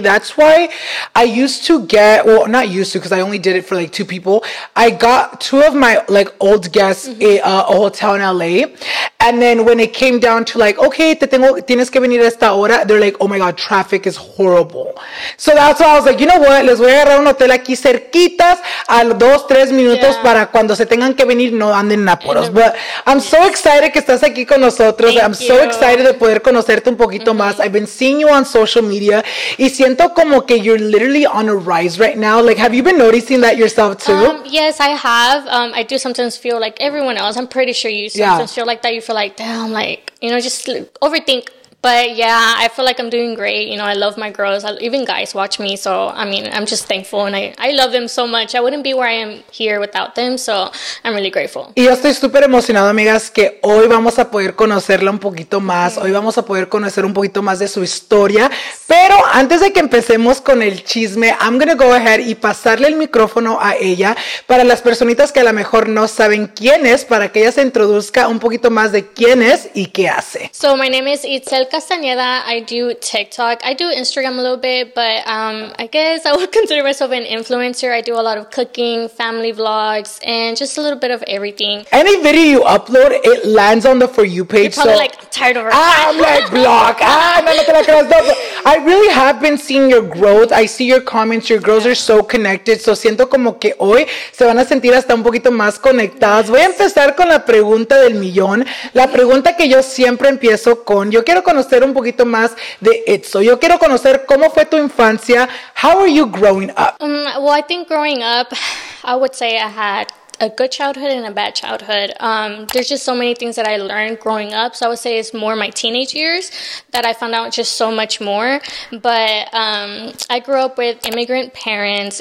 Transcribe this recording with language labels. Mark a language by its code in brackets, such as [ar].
[en] That's why I used to get, well, not used to, because I only did it for like two people. I got two of my like old guests a hotel in LA. And then when it came down to like, okay, [es] tienes que venir a esta hora, [en] they're like, oh my God, traffic is horrible. So that's why I was like, you know what? [es] Les voy a agarrar un hotel aquí cerquitas a dos, tres minutos yeah. para cuando se tengan que venir, no anden en apuros. [en] But I'm so excited [es] que estás aquí con nosotros. [en] So excited [es] de poder conocerte un poquito más. [en] I've been seeing you on social media [es] y siento como que [en] you're literally on a rise right now. Like, have you been noticing that yourself too? Yes, I have. I do sometimes feel like everyone else. I'm pretty sure you sometimes feel like that. You feel like, damn, like, you know, just overthink. But yeah, I feel like I'm doing great. You know, I love my girls. Even guys watch me. So, I mean, I'm just thankful. And I love them so much. I wouldn't be where I am here without them. So, I'm really grateful. [es] Y yo estoy súper emocionada, amigas, que hoy vamos a poder conocerla un poquito más. Hoy vamos a poder conocer un poquito más de su historia. Pero antes de que empecemos con el chisme, [en] I'm going to go ahead [es] y pasarle el micrófono a ella. Para las personitas que a lo mejor no saben quién es, para que ella se introduzca un poquito más de quién es y qué hace. [en] So, my name is Itzel Castaneda. I do TikTok. I do Instagram a little bit, but I guess I would consider myself an influencer. I do a lot of cooking, family vlogs, and just a little bit of everything. Any video you upload, it lands on the For You page. You're probably, like, tired of her. I'm like, block. I really have been seeing your growth. I see your comments. Your girls are so connected. [es] So siento como que hoy se van a sentir hasta un poquito más conectadas. Voy a empezar con la pregunta del millón. La pregunta que yo siempre empiezo con. Yo quiero conocer un poquito más de Itzel. Yo quiero conocer cómo fue tu infancia. [en] How are you growing up? Well, I think growing up, I would say I had a good childhood and a bad childhood. There's just so many things that I learned growing up. So I would say it's more my teenage years that I found out just so much more. But I grew up with immigrant parents.